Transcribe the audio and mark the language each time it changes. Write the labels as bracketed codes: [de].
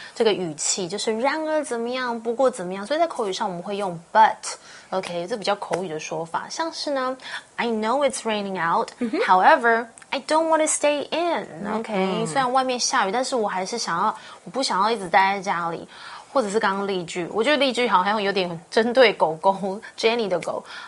[zh] 这个语气就是然而怎么样，不过怎么样。所以在口语上我们会用 but, okay, 这比较口语的说法。 [en] 像是呢 I know it's raining out, however, I don't want to stay in, okay. [zh] 虽然外面下雨，但是我还是想要，我不想要一直待在家里。或者是刚刚例句，我觉得例句好像有点针对狗狗 ,Jenny 的狗。